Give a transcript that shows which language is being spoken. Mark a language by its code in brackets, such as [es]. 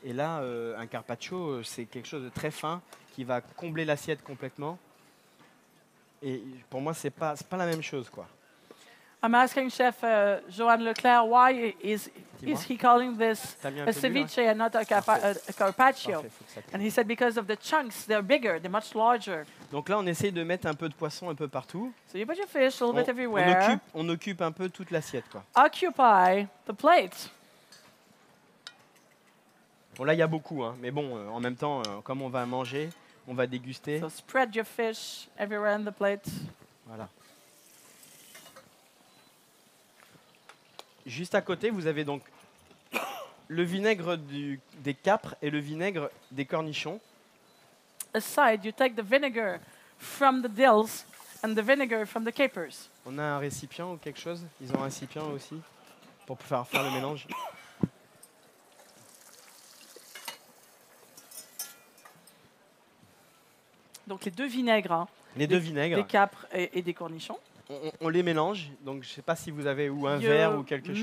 [fr] Et là, un carpaccio, c'est quelque chose de très fin qui va combler l'assiette complètement. Et pour moi, c'est pas la même chose, quoi. [en] I'm asking chef Joanne Leclerc why is he calling this a ceviche and not a carpaccio? And he said because of the chunks, they're bigger, they're much larger. [fr] Donc là, on essaye de mettre un peu de poisson un peu partout. [en] So you put your fish a little bit everywhere. [fr] On occupe un peu toute l'assiette, quoi. [en] Occupy the plate. [fr] Bon, là, il y a beaucoup, hein. Mais bon, en même temps, comme on va manger, on va déguster. [en] So spread your fish everywhere on the plate. [fr] Voilà. Juste à côté, vous avez donc le vinaigre des câpres et le vinaigre des cornichons. [en] Aside, you take the vinegar from the dills and the vinegar from the capers. [fr] On a un récipient ou quelque chose? Ils ont un récipient aussi pour pouvoir faire le mélange. Donc les deux vinaigres. Hein, les deux vinaigres. Des câpres et des cornichons. On les mélange, donc je ne sais pas si vous avez ou un verre ou quelque chose.